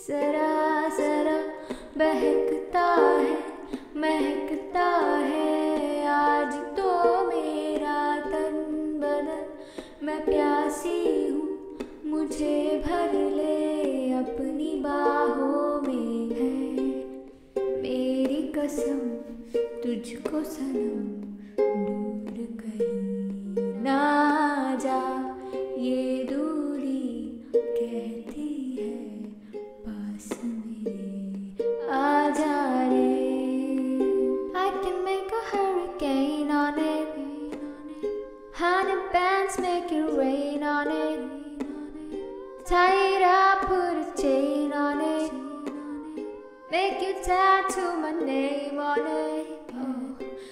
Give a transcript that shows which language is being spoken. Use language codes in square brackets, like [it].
[hi] जरा जरा बहकता है महकता है आज तो मेरा तन बदन. मैं प्यासी हूँ मुझे भर ले अपनी बाहों में है. मेरी कसम तुझको सनम दूर कहीं ना जा. ये दूरी कहती है पास मेरे आ जा रे. [en] I can make a hurricane on it. Honey bands make it rain on it. Tie it up, put a chain on it. Make you tattoo my name on it.